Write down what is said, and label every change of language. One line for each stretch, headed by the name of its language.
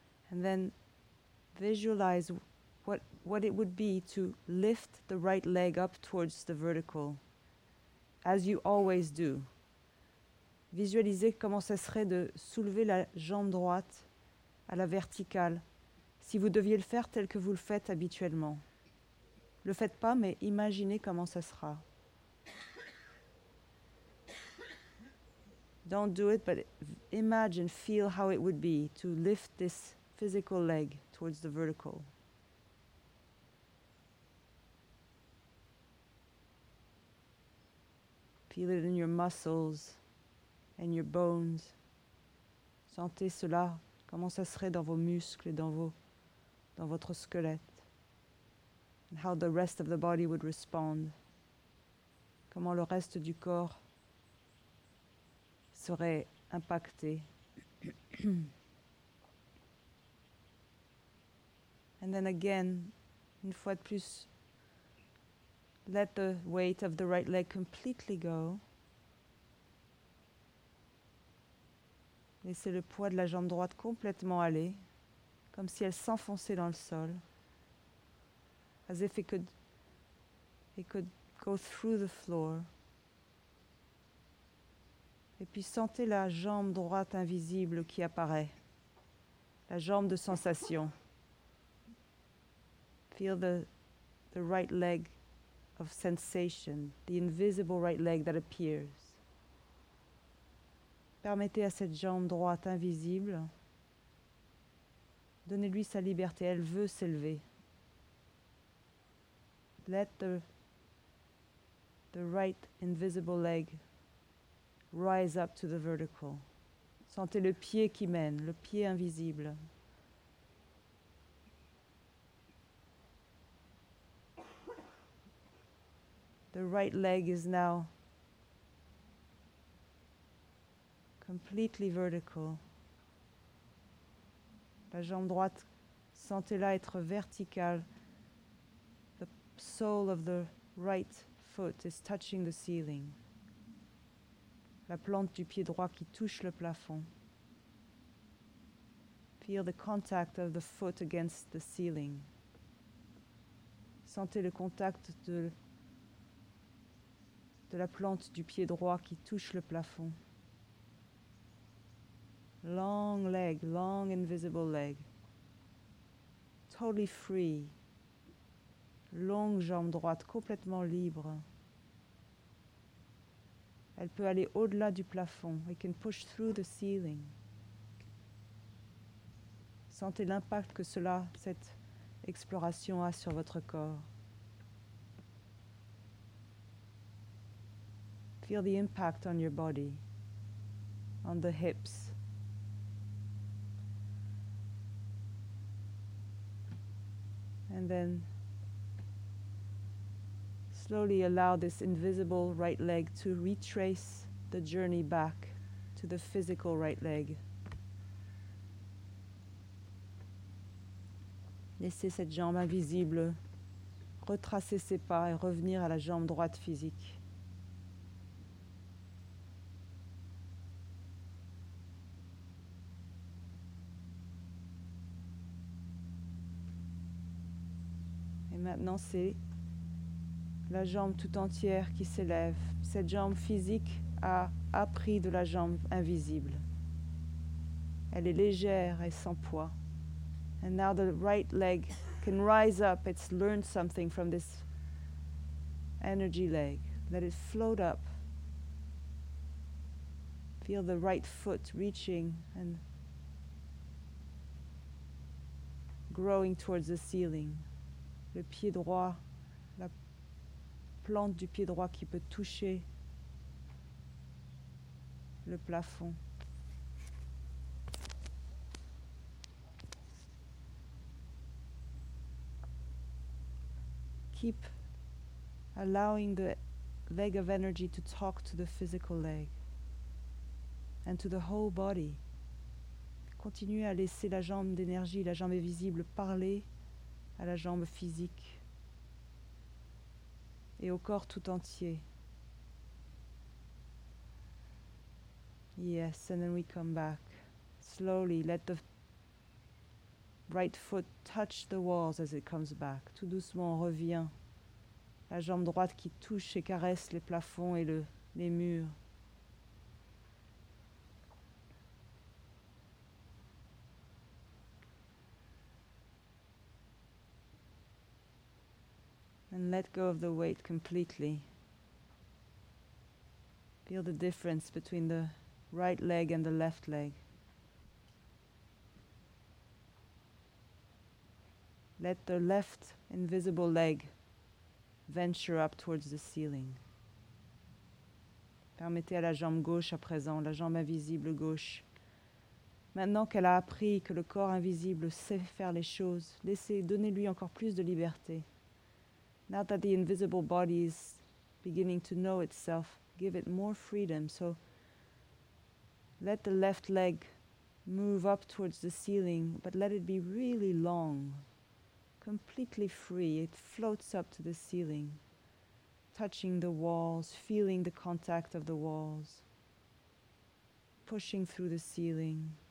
English: And then visualize what it would be to lift the right leg up towards the vertical, as you always do.
French: Visualisez comment ce serait de soulever la jambe droite à la verticale, si vous deviez le faire tel que vous le faites habituellement. Le faites pas, mais imaginez comment ça sera.
English: Don't do it, but imagine, feel how it would be to lift this physical leg towards the vertical. Feel it in your muscles and your bones.
French: Sentez cela, comment ça serait dans vos muscles et dans votre squelette.
English: And how the rest of the body would respond.
French: Comment le reste du corps serait impacté.
English: And then again,
French: une fois de plus,
English: let the weight of the right leg completely go.
French: Laissez le poids de la jambe droite complètement aller, comme si elle s'enfonçait dans le sol.
English: As if it could go through the floor.
French: Et puis sentez la jambe droite invisible qui apparaît. La jambe de sensation.
English: Feel the right leg of sensation, the invisible right leg that appears.
French: Permettez à cette jambe droite invisible, donnez-lui sa liberté, elle veut s'élever.
English: Let the right invisible leg rise up to the vertical.
French: Sentez le pied qui mène, le pied invisible.
English: The right leg is now completely vertical.
French: La jambe droite, sentez-la être verticale.
English: The sole of the right foot is touching the ceiling.
French: La plante du pied droit qui touche le plafond.
English: Feel the contact of the foot against the ceiling.
French: Sentez le contact de la plante du pied droit qui touche le plafond.
English: Long leg, long invisible leg. Totally free.
French: Longue jambe droite, complètement libre. Elle peut aller au-delà du plafond.
English: It can push through the ceiling.
French: Sentez l'impact que cela, cette exploration a sur votre corps.
English: Feel the impact on your body, on the hips. And then slowly allow this invisible right leg to retrace the journey back to the physical right leg.
French: Laissez cette jambe invisible retracer ses pas et revenir à la jambe droite physique. Maintenant, c'est la jambe tout entière qui s'élève. Cette jambe physique a appris de la jambe invisible. Elle est légère et sans poids.
English: And now the right leg can rise up. It's learned something from this energy leg. Let it float up. Feel the right foot reaching and growing towards the ceiling.
French: Le pied droit, la plante du pied droit qui peut toucher le plafond.
English: Keep allowing the leg of energy to talk to the physical leg and to the whole body.
French: Continue à laisser la jambe d'énergie, la jambe invisible, parler à la jambe physique et au corps tout entier.
English: Yes, and then we come back. Slowly, let the right foot touch the walls as it comes back.
French: Tout doucement, on revient. La jambe droite qui touche et caresse les plafonds et les murs.
English: And let go of the weight completely. Feel the difference between the right leg and the left leg. Let the left invisible leg venture up towards the ceiling.
French: Permettez à la jambe gauche à présent, la jambe invisible gauche. Maintenant qu'elle a appris que le corps invisible sait faire les choses, donnez-lui encore plus de liberté.
English: Now that the invisible body is beginning to know itself, give it more freedom. So let the left leg move up towards the ceiling, but let it be really long, completely free. It floats up to the ceiling, touching the walls, feeling the contact of the walls, pushing through the ceiling.